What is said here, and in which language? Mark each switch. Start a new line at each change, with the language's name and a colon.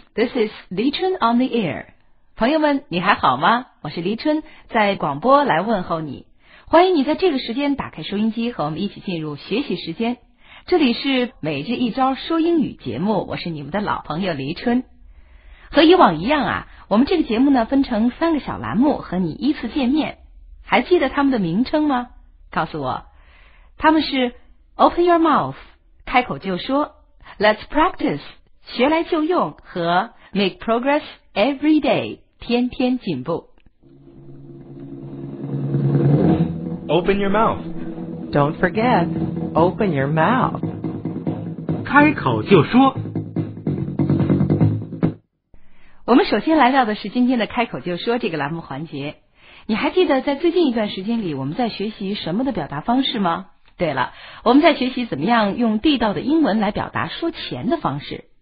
English: This is 黎春 on the air.
Chinese: 朋友们，你还好吗？我是黎春，在广播来问候你。欢迎你在这个时间打开收音机，和我们一起进入学习时间。这里是每日一招说英语节目，我是你们的老朋友黎春。和以往一样啊，我们这个节目呢分成三个小栏目和你依次见面。还记得他们的名称吗？告诉我，他们是
English: Open Your Mouth，
Chinese: 开口就说 ，
English: Let's Practice，
Chinese: 学来就用，和
English: Make Progress Every Day，
Chinese: 天天进步。
English: Open your mouth. Don't forget, open your mouth.
Chinese: 开口就说。我们首先来到的是今天的开口就说这个栏目环节。你还记得在最近一段时间里我们在学习什么的表达方式吗？对了，我们在学习怎么样用地道的英文来表达说钱的方式。